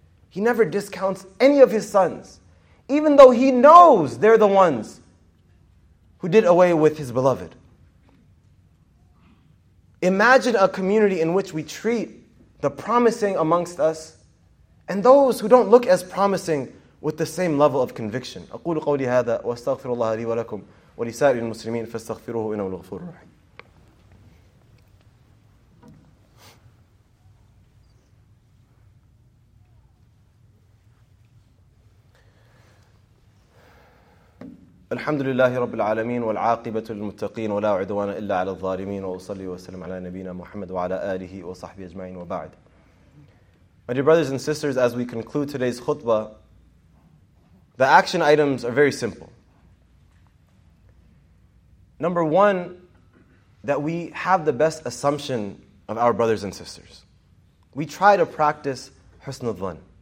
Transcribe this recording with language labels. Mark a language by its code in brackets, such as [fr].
[en] He never discounts any of his sons, even though he knows they're the ones who did away with his beloved. Imagine a community in which we treat the promising amongst us and those who don't look as promising with the same level of conviction. [ar] أقول قولي هذا وأستغفر الله لي ولكم ولسائر المسلمين فاستغفروه إنه الغفور الرحيم. الحمد لله رب العالمين والعاقبة للمتقين ولا عدوان إلا على الظالمين وأصلي وسلم على نبينا محمد وعلى آله وصحبه أجمعين وبعد. [en] My dear brothers and sisters, as we conclude today's khutbah, the action items are very simple. Number one, that we have the best assumption of our brothers and sisters. We try to practice husnul dhann.